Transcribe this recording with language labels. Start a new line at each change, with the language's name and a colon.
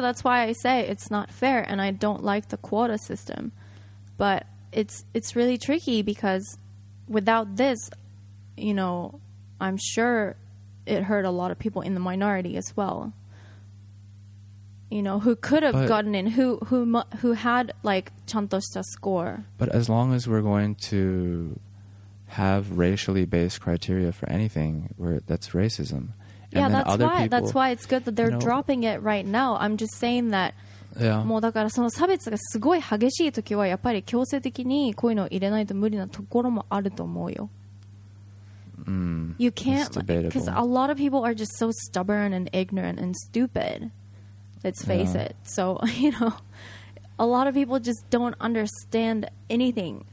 English: That's why I say it's not fair, and I don't like the quota system, but it's really tricky because without this, you know, I'm sure it hurt a lot of people in the minority as well, you know, who could have gotten in, who had like
Japanese: chantoshita
English: score. But as long as we're going to have racially based criteria for anything, where that's racism. And yeah, that's why people, that's why it's good that they're, you know, dropping it right now. I'm just saying that. Yeah.
Japanese: もうだからその差別がすごい激しい時はやっぱり強制的にこういうのを入れないと無理なところもあると思うよ。
English: You can't, because a lot of people are just so stubborn and ignorant and stupid. Let's face it. So, you know, a lot of people just don't understand anything.